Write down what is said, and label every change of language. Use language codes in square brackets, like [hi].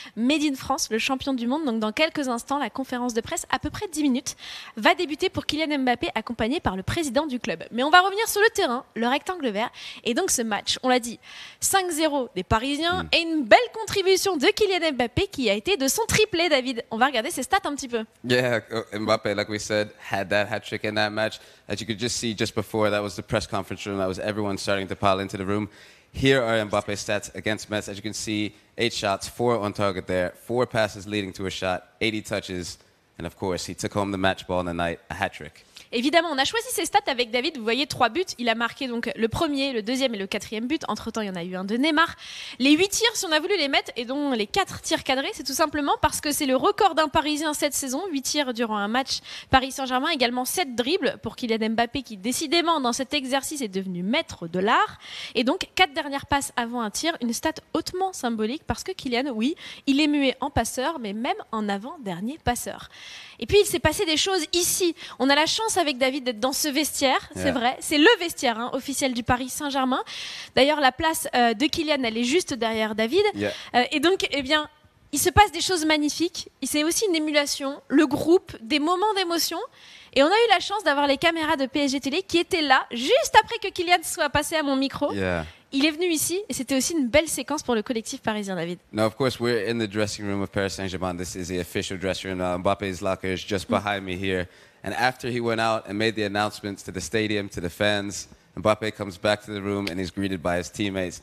[fr] Made in France, le champion du monde. Donc, dans quelques instants, la conférence de presse, à peu près 10 minutes, va débuter pour Kylian Mbappé, accompagné par le président du club. Mais on va revenir sur le terrain, le rectangle vert. Et donc, ce match, on l'a dit, 5-0 des Parisiens et une belle contribution de Kylian Mbappé qui a été de son triplé, David. On va regarder ses stats un petit peu. [en] Yeah, Mbappé, like we said, had that hat-trick in that match. As you could just see just before, that was the press conference room. That was everyone starting to pile into the room. Here are Mbappé's stats against Metz. As you can see, 8 shots, 4 on target there, 4 passes leading to a shot, 80 touches. And of course, he took home the match ball in the night, a hat-trick. [fr] Évidemment, on a choisi ses stats avec David. Vous voyez, 3 buts. Il a marqué donc le premier, le deuxième et le quatrième but. Entre-temps, il y en a eu un de Neymar. Les 8 tirs, si on a voulu les mettre, et dont les 4 tirs cadrés, c'est tout simplement parce que c'est le record d'un Parisien cette saison. 8 tirs durant un match Paris Saint-Germain. Également 7 dribbles pour Kylian Mbappé qui, décidément, dans cet exercice, est devenu maître de l'art. Et donc, 4 dernières passes avant un tir. Une stat hautement symbolique parce que Kylian, oui, il est muet en passeur, mais même en avant-dernier passeur. Et puis, il s'est passé des choses ici. On a la chance avec David d'être dans ce vestiaire, c'est vrai. C'est le vestiaire officiel du Paris Saint-Germain. D'ailleurs, la place de Kylian, elle est juste derrière David. Et donc, eh bien, il se passe des choses magnifiques. C'est aussi une émulation, le groupe, des moments d'émotion. Et on a eu la chance d'avoir les caméras de PSG Télé qui étaient là, juste après que Kylian soit passé à mon micro. Il est venu ici et c'était aussi une belle séquence pour le collectif parisien, David. [en] Now, of course, we're in the dressing room of Paris Saint-Germain. This is the official dressing room. Mbappé's locker is just behind me here. And after he went out and made the announcements to the stadium, to the fans, Mbappé comes back to the room and he's greeted by his teammates.